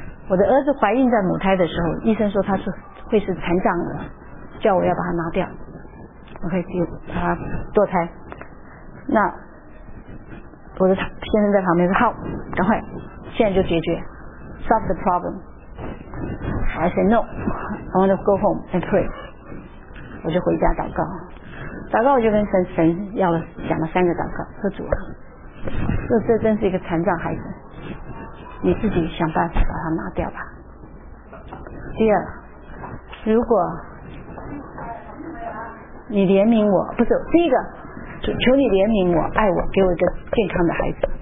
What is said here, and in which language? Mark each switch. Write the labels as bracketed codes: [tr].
[zh] 我的儿子怀孕在母胎的时候，医生说他是会是残障的，叫我要把它拿掉。 OK， 就把它堕胎。那我的先生在旁边说：“好，赶快，现在就解决 ， [en] solve the problem。” I said no, I want to go home and pray。 [zh] 我就回家祷告，祷告我就跟神要了讲了三个祷告，说主啊，这真是一个残障孩子，你自己想办法把它拿掉吧。第二，如果你怜悯我，不是第一个，求你怜悯我，爱我，给我一个健康的孩子。